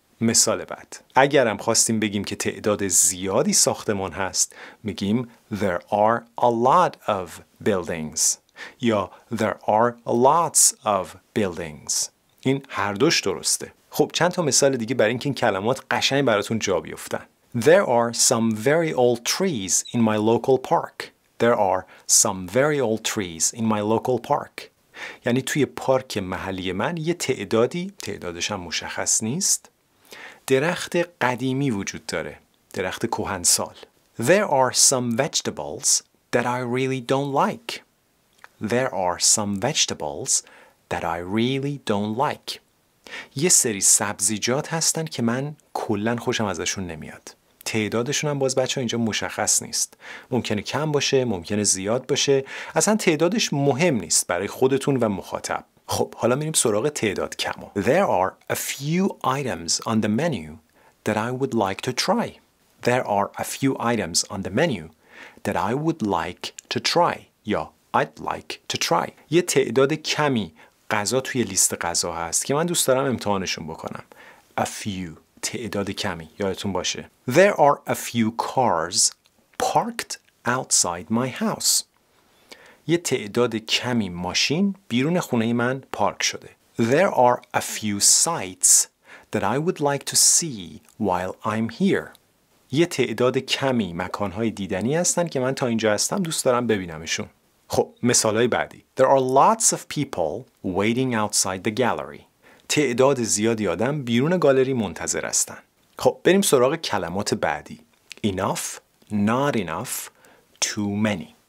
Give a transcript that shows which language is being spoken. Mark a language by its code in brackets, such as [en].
[fa] مثال بعد: اگرم خواستیم بگیم که تعداد زیادی ساختمان هست، میگیم [en] there are a lot of buildings [fa] یا [en] there are lots of buildings. [fa] این هر دوش درسته. خب چند تا مثال دیگه برای اینکه این کلمات قشنگ براتون جا بیفتن. [en] There are some very old trees in my local park. There are some very old trees in my local park. [fa] یعنی توی پارک محلی من یه تعدادی، تعدادش هم مشخص نیست، درخت قدیمی وجود داره. درخت کهنسال. [en] There are some vegetables that I really don't like. There are some vegetables that I really don't like. [fa] یه سری سبزیجات هستن که من کلن خوشم ازشون نمیاد. تعدادشون هم باز بچه ها اینجا مشخص نیست، ممکنه کم باشه، ممکنه زیاد باشه، اصلا تعدادش مهم نیست برای خودتون و مخاطب. خب حالا میریم سراغ تعداد کم. [en] There are a few items on the menu that I would like to try. There are a few items on the menu that I would like to try. [fa] یا [en] I'd like to try. [fa] یه تعداد کمی غذا توی لیست غذا هست که من دوست دارم امتحانشون بکنم. A few، تعداد کمی، یادتون باشه. [en] There are a few cars parked outside my house. [fa] یه تعداد کمی ماشین بیرون خونه من پارک شده. [en] There are a few sights that I would like to see while I'm here. [fa] یه تعداد کمی مکانهای دیدنی هستن که من تا اینجا هستم دوست دارم ببینمشون. خب مثالای بعدی: [en] There are lots of people waiting outside the gallery. [fa] تعداد زیادی آدم بیرون گالری منتظر هستن. خب بریم سراغ کلمات بعدی: enough, not enough, too many.